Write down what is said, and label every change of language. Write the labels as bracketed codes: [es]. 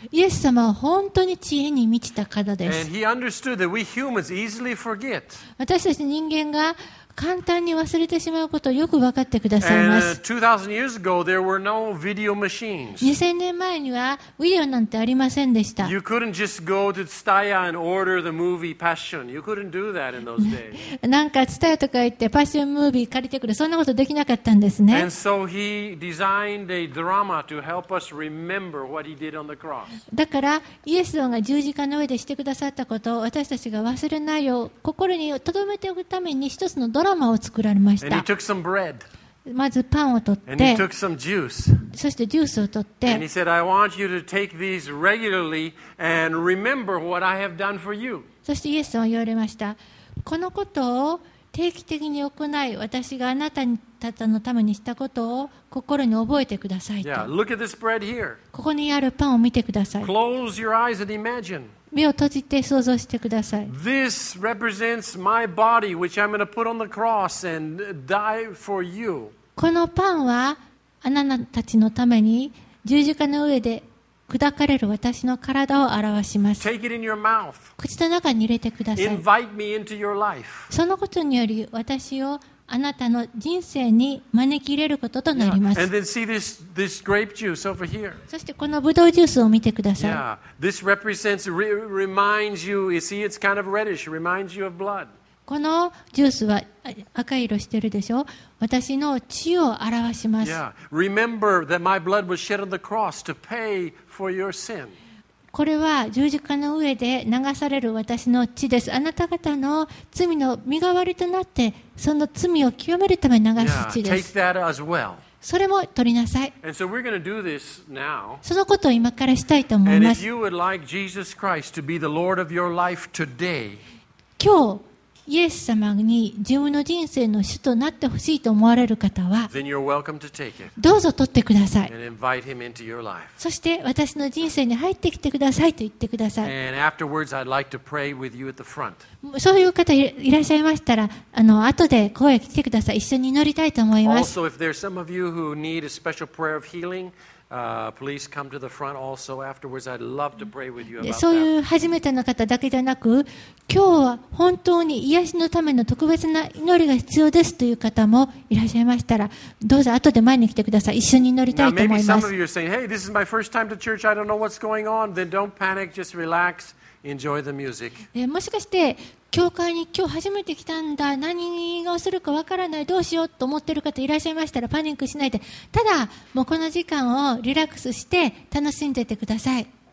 [ja] 様は本当に知恵に満ちた方です。私たち人間が簡単に忘れてしまうことをよく分かってくださいます。 2000 年前にはビデオなんてありませんでした。なんかツタヤとか行ってパッションムービー借りてくる、そんなことできなかったんですね。 [en] And so he designed a drama to help us remember what he did on the cross. [ja] だからイエス様が十字架の上でしてくださったことを私たちが忘れないよう心に留めておくために一つのドラマを作られました。 [en] And he took some bread. [ja] まずパンを取って、 [en] and he took some juice. [ja] そしてジュースを取って、 [en] and he said, I want you to take these regularly and remember what I have done for you. [ja] そしてイエスは言われました。このことを定期的に行い、私があなたのためにしたことを心に覚えてくださいと。 [en] Yeah, look at this bread here. [ja] ここにあるパンを見てください。 [en] Close your eyes and imagine. [ja] 目を閉じて想像してください。 [en] This represents my body, which I'm going to put on the cross and die for you. [ja] このパンはあなたたちのために十字架の上で砕かれる私の体を表します。 [en] Take it in your mouth. [ja] 口の中に入れてください。 [en] Invite me into your life. [ja] そのことにより私をあなたの人生に招き入れることとなります。 [en] And then see this grape juice over here. そしてこのブドウジュースを見てください。 Yeah. This represents, reminds you, you see it's kind of reddish, reminds you of blood. [ja] このジュースは赤色してるでしょ。私の血を表します。 [en] Yeah. Remember that my blood was shed on the cross to payFor your sin. [ja] これは十字架の上で流される私の血です。あなた方の罪の身代わりとなってその罪を清めるために流す血です。 [en] Yeah, take that as well. [ja] それも取りなさい。 [en] And so we're going to do this now. [ja] そのことを今からしたいと思います。 [en] And if you would like Jesus Christ to be the Lord of your life today, [ja] 今日イエス様に自分の人生の主となってほしいと思われる方は、 [en] Then you're welcome to take it. [ja] どうぞ取ってください。 [en] And invite him into your life. [ja] そして私の人生に入ってきてくださいと言ってください。 [en] And afterwards, I'd like to pray with you at the front. [ja] そういう方いらっしゃいましたら、後で声を聞いてください。一緒に祈りたいと思います。 [en] Also, if there's some of you who need a special prayer of healing,please come to the front also afterwards. I'd love to pray with you about that. [ja] そういう初めての方だけじゃなく、今日は本当に癒しのための特別な祈りが必要ですという方もいらっしゃいましたら、どうぞ後で前に来てください。一緒に祈りたいと思います。 [en] Now maybe some of you are saying, "Hey, this is my first time to church. I don't know what's going on." Then don't panic. Just relax. Enjoy the music. [ja] もしかして教会に今日初めて来たんだ、何をするかわからない、どうしようと思っている方いらっしゃいましたら、パニックしないで、ただもうこの時間をリラックスして楽しんでいてください。